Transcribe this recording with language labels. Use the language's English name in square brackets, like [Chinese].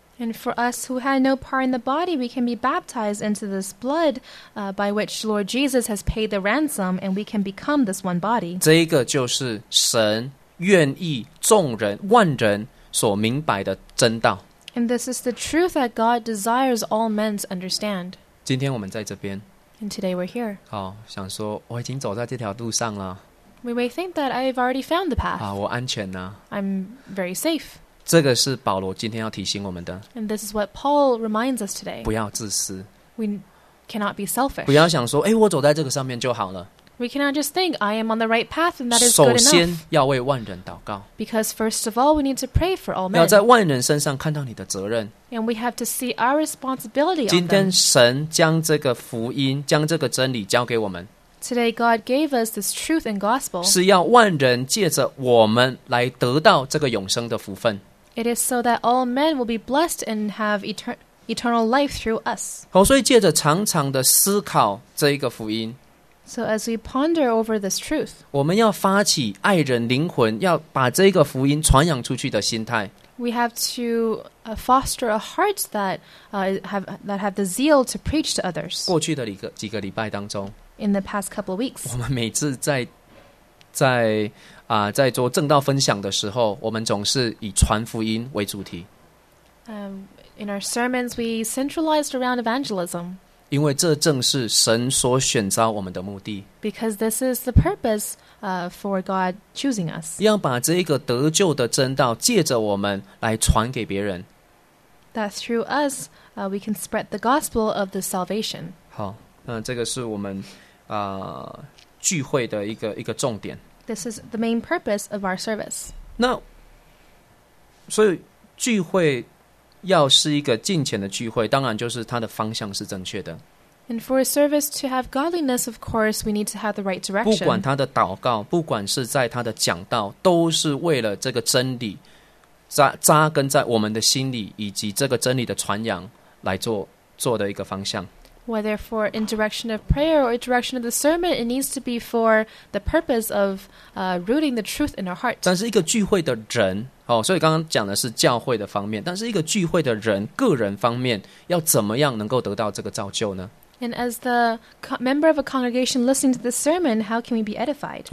[English] And for us who had no part in the body, we can be baptized into this blood, by which Lord Jesus has paid the ransom, and we can become this one body. [Chinese] 这一个就是神愿意众人万人所明白的真道。 [English] And this is the truth that God desires all men to understand. [Chinese] 今天我们在这边。 [English] And today we're here. [Chinese] 好，想说我已经走在这条路上了。 [English] We may think that I've already found the path. [Chinese] 啊，我安全了。 [English] I'm very safe. [Chinese] 这个是保罗今天要提醒我们的。 [English] And this is what Paul reminds us today. [Chinese] 不要自私。 [English] We cannot be selfish. [Chinese] 不要想说，哎，我走在这个上面就好了。 [English] We cannot just think I am on the right path and that is good enough. [Chinese] 首先要为万人祷告。 [English] Because first of all, we need to pray for all men. [Chinese] 要在万人身上看到你的责任。 [English] And we have to see our responsibility of [Chinese] 今天神将这个福音，将这个真理交给我们。 [English] Today God gave us this truth and gospel. [Chinese] 是要万人借着我们来得到这个永生的福分。 [English] It is so that all men will be blessed and have eternal life through us. [Chinese] 好，所以借着常常的思考这一个福音。 [English] So as we ponder over this truth. [Chinese] 我们要发起爱人灵魂，要把这个福音传扬出去的心态。 [English] We have to foster a heart that have the zeal to preach to others. [Chinese] 过去的几个礼拜当中 [English] ，In the past couple of weeks, [Chinese] 我们每次在做正道分享的时候，我们总是以传福音为主题。 [English] In our sermons, we centralized around evangelism. [Chinese] 因为这正是神所选召我们的目的。 [English] Because this is the purpose. For God choosing us. [Chinese] 要把这个得救的真道借着我们来传给别人。 [English] That through us, we can spread the gospel of the salvation. [Chinese] 好，那这个是我们聚会的一个重点。 [English] This is the main purpose of our service. [Chinese] 那，所以聚会要是一个敬虔的聚会，当然就是它的方向是正确的。 [English] And for a service to have godliness, of course, we need to have the right direction. [Chinese] 不管他的祷告，不管是在他的讲道，都是为了这个真理扎根在我们的心里，以及这个真理的传扬来做的一个方向。 [English] Whether for in direction of prayer or direction of the sermon, it needs to be for the purpose of rooting the truth in our hearts. [Chinese] 但是一个聚会的人，哦，所以刚刚讲的是教会的方面，但是一个聚会的人个人方面要怎么样能够得到这个造就呢？ [English] And as the member of a congregation listening to the sermon, how can we be edified?